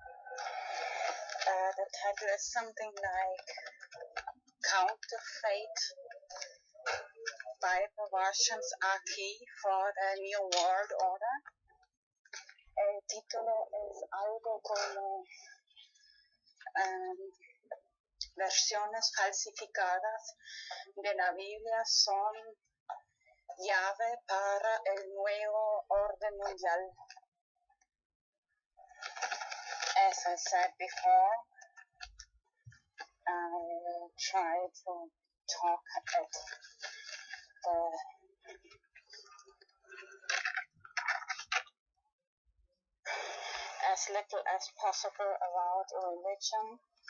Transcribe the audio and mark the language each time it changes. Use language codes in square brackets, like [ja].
[en] The title is something like Counterfeit Bible versions are key for the new world order. [es] El título es algo como versiones falsificadas de la Biblia son llave para el nuevo orden mundial. [en] As I said before, I try to talk at the as little as possible about religion.